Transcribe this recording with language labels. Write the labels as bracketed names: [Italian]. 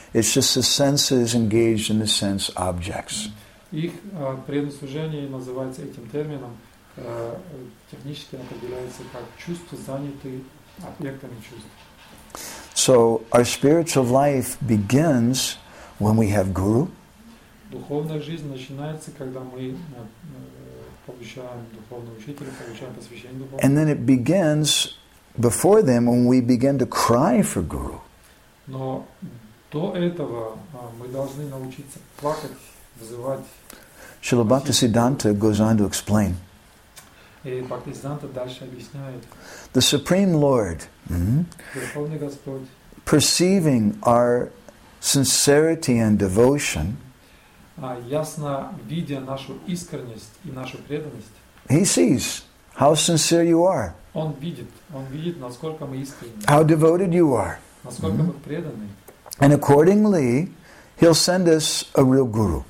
[English] It's just the senses engaged in the sense objects. [Russian] Их предослужение называется этим термином, технически определяется как чувства, занятые объектами чувств. [English] So our spiritual life begins when we have guru. [Russian] Духовная жизнь начинается, когда мы получаем духовного учителя, получаем посвящение духовному. [English] And then it begins before them when we begin to cry for guru. [Russian] Но до этого мы должны научиться плакать, вызывать. [English] Шрила Бхактисиддханта goes on to explain. [Russian] И Бхактисиддханта дальше объясняет. [English] The Supreme Lord, [Russian] Верховный Господь, [English] perceiving our sincerity and devotion, [Russian] ясно видя нашу искренность и нашу преданность, [English] he sees how sincere you are. [Russian] Он видит, насколько мы искренны. [English] How devoted you are. [Russian] Насколько мы преданы. [English] And accordingly, he'll send us a real guru.